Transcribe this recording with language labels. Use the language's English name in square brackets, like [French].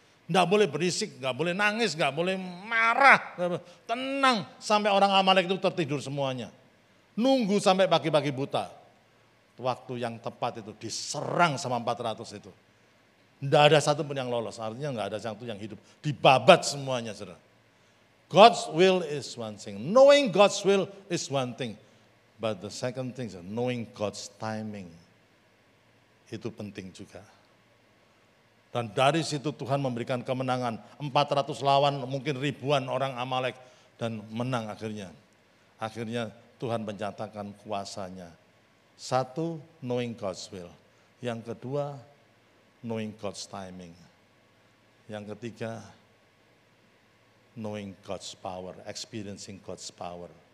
[Indonesian] Enggak boleh berisik, enggak boleh nangis, enggak boleh marah. Tenang sampai orang Amalek itu tertidur semuanya. Nunggu sampai pagi-pagi buta. Waktu yang tepat itu diserang sama 400 itu. Enggak ada satu pun yang lolos, artinya enggak ada satu yang hidup. Dibabat semuanya, saudara. [English] God's will is one thing. Knowing God's will is one thing. But the second thing is knowing God's timing. [Indonesian] Itu penting juga. Dan dari situ Tuhan memberikan kemenangan 400 lawan mungkin ribuan orang Amalek dan menang akhirnya. Akhirnya Tuhan menyatakan kuasanya. Satu, [English] knowing God's will. [Indonesian] Yang kedua, [English] knowing God's timing. [Indonesian] Yang ketiga, [English] knowing God's power, experiencing God's power.